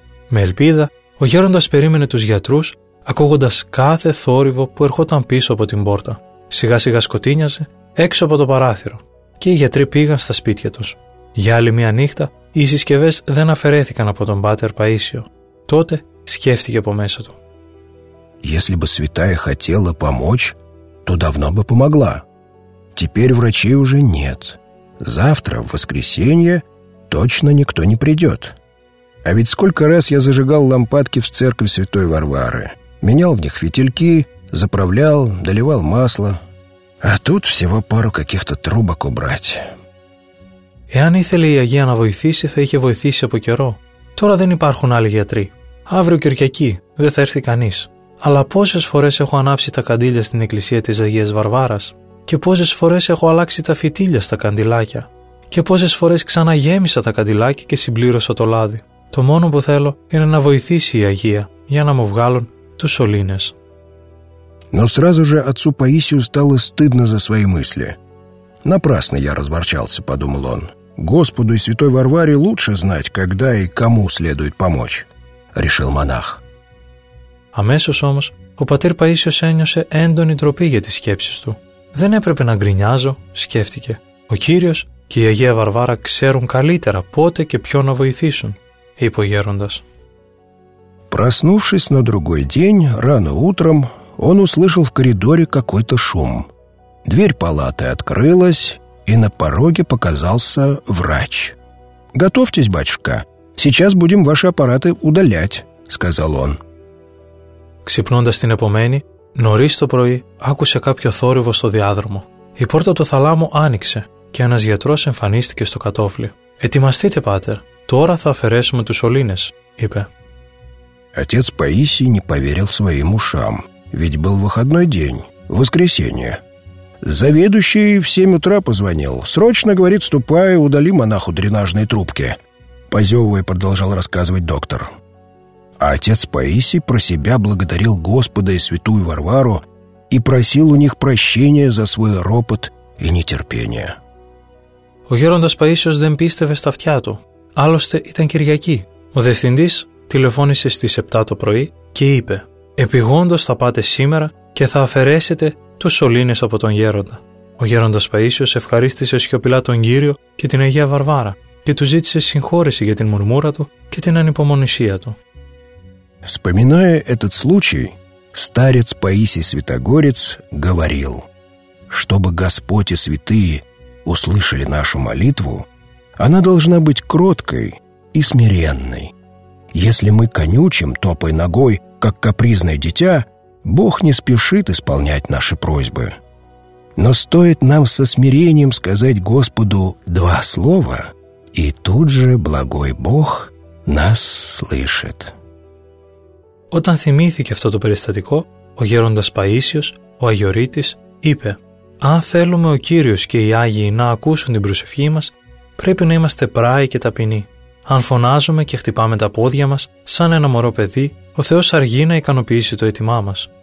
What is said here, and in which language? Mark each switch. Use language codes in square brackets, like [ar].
[el] Με ελπίδα, ο γέροντας περίμενε τους γιατρούς, ακούγοντας κάθε θόρυβο που ερχόταν πίσω από την πόρτα. Σιγά σιγά σκοτίνιαζε έξω από το παράθυρο και οι γιατροί πήγαν στα σπίτια τους. Για άλλη μια νύχτα, οι συσκευές δεν αφαιρέθηκαν από τον πάτερ Παΐσιο. Τότε σκέφτηκε από μέσα του. [ru] «Если бы святая хотела помочь, то давно бы помогла. Теперь врачей уже нет. Завтра, в воскресенье, точно никто не придет. А ведь сколько раз я зажигал лампадки в церкви святой Варвары, менял в них фитильки, заправлял, доливал масло. А тут всего пару каких-то трубок убрать». [el] Εάν ήθελε η Αγία να βοηθήσει, θα είχε βοηθήσει από καιρό. Τώρα δεν υπάρχουν άλλοι γιατροί. Αύριο Κυριακή, δεν θα έρθει κανείς. Αλλά πόσες φορές έχω ανάψει τα καντήλια στην εκκλησία της Αγίας Βαρβάρας, και πόσες φορές έχω αλλάξει τα φυτίλια στα καντιλάκια, και πόσες φορές ξαναγέμισα τα καντιλάκια και συμπλήρωσα το λάδι. Το μόνο που θέλω είναι να βοηθήσει η Αγία για να μου βγάλουν τους σωλήνες. [ru] Но сразу же отцу Паисию стало стыдно за свои мысли. «Напрасно я разворчался», — подумал он. «Господу и святой Варваре лучше знать, когда и кому следует помочь», — решил монах. [el] Αμέσως όμως, ο πατήρ Παΐσιος ένιωσε έντονη ντροπή για τις σκέψεις του. «Δεν έπρεπε να γκρινιάζω», σκέφτηκε. «Ο Κύριος και η Αγία Βαρβάρα ξέρουν καλύτερα πότε και ποιον να βοηθήσουν», είπε ο γέροντας. [ru] Проснувшись на другой день, рано утром, он услышал в коридоре какой-то шум. Дверь палаты открылась, и на пороге показался врач. «Готовьтесь, батюшка, сейчас будем ваши аппараты удалять», — сказал он. [el] Ξυπνώντας την επομένη, νωρίς το πρωί, άκουσε κάποιο θόρυβο στο διάδρομο. Η πόρτα του θαλάμου άνοιξε και ένας γιατρός εμφανίστηκε στο κατόφλι. «Ετοιμαστείτε, πάτερ, τώρα θα αφαιρέσουμε τους σωλήνες», είπε. [ru] Отец Паисий не поверил своим ушам, ведь был выходной день, воскресенье. «Заведующий в 7 утра позвонил. Срочно, — говорит, — ступай, удали монаху дренажные трубки», — позевывая, продолжал рассказывать доктор. А отец Паисий про себя благодарил Господа и святую Варвару и просил у них прощения за свой ропот и нетерпение. [el] Ο γέροντας Παΐσιος δεν πίστευε στα αυτιά του. Άλλωστε ήταν Κυριακή. Ο διευθυντής τηλεφώνησε στις 7 το πρωί και είπε: «Επηγόντως θα πάτε σήμερα και θα αφαιρέσετε τους σωλήνες από τον γέροντα. Ο γέροντας Παΐσιος ευχαρίστησε σιωπηλά τον Κύριο και την Αγία Βαρβάρα και του ζήτησε συγχώρεση για την μουρμούρα του και την ανυπομονησία του. [ru] Вспоминая этот случай, старец Паисий Святогорец говорил, чтобы Господь и святые услышали нашу молитву, она должна быть кроткой и смиренной. Если мы конючим, топой ногой, как капризное дитя, Бог не спешит исполнять наши просьбы. Но стоит нам со смирением сказать Господу два слова, и тут же благой Бог нас слышит. [el] Όταν θυμήθηκε αυτό το περιστατικό, ο γέροντας Παΐσιος, ο Αγιορείτης, είπε «Αν θέλουμε ο Κύριος και οι Άγιοι να ακούσουν την προσευχή μας, πρέπει να είμαστε πράοι και ταπεινοί. Αν φωνάζουμε και χτυπάμε τα πόδια μας, σαν ένα μωρό παιδί, ο Θεός αργεί να ικανοποιήσει το αίτημά μας.